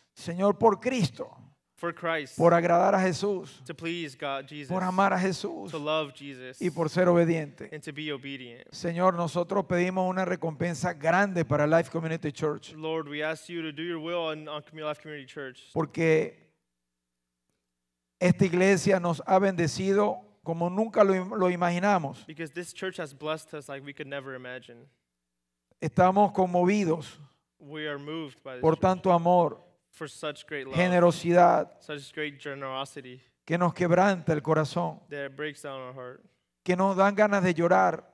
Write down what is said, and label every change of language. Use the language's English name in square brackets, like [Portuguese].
[Spanish] Señor, por Cristo, [English] for Christ, [Spanish] por agradar a Jesús, [English] to please God, Jesus, [Spanish] por amar a Jesús, [English] to love Jesus, [Spanish] y por ser obediente, [English] and to be obedient. [Spanish] Señor, nosotros pedimos una recompensa grande para Life Community Church. [English] Lord, we ask you to do your will on Life Community Church. [Spanish] Porque esta iglesia nos ha bendecido como nunca lo imaginamos. [English] Because this church has blessed us like we could never imagine. [Spanish] Estamos conmovidos. [English] We are moved by this [Spanish] por tanto [English] church. [Spanish] Amor. [English] For such great love, [Spanish] generosidad, [English] such great generosity, [Spanish] que nos quebranta el corazón, [English] that breaks down our heart, [Spanish] que nos dan ganas de llorar.